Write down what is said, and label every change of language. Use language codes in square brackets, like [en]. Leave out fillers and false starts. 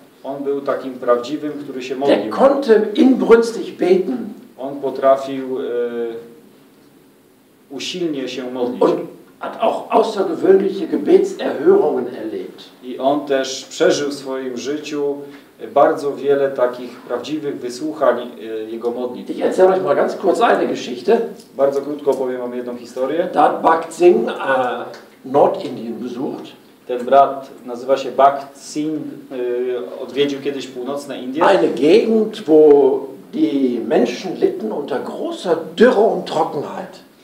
[pl] On był takim prawdziwym, który się modlił. [de] Der konnte inbrünstig beten. [pl] On potrafił usilnie się modlić. [de] Und hat auch außergewöhnliche Gebetserhörungen erlebt. [pl] I on też przeżył w swoim życiu bardzo wiele takich prawdziwych wysłuchań jego modlitw. [de] Ich erzähle euch mal ganz kurz eine Geschichte. [pl] Bardzo krótko opowiem wam jedną historię. [de] Da hat Bhakt Singh Nordindien besucht. [pl] Ten brat nazywa się Bhakt Singh, odwiedził kiedyś północne Indie. [de] Eine Gegend, wo die Menschen litten unter großer Dürre und Trockenheit.